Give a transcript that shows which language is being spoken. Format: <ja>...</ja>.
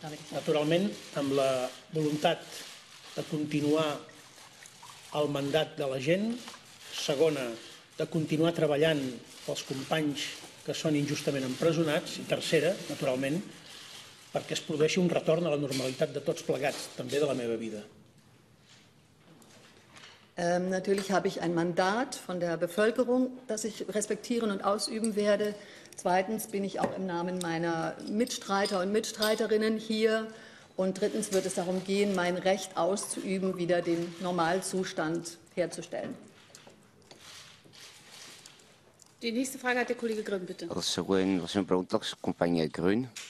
<ca>Naturalment, amb la voluntat de continuar el mandat de la gent, segona, de continuar treballant pels companys que són injustament empresonats, i tercera, naturalment, perquè es produeixi un retorn a la normalitat de tots plegats, també de la meva vida.</ca> <de>Natürlich habe ich ein Mandat von der Bevölkerung, das ich respektieren und ausüben werde. Zweitens bin ich auch im Namen meiner Mitstreiter und Mitstreiterinnen hier. Und drittens wird es darum gehen, mein Recht auszuüben, wieder den Normalzustand herzustellen. Die nächste Frage hat der Kollege Grün, bitte.</de> <ca>Das Següent, la seva pregunta, la companya Grün.</ca>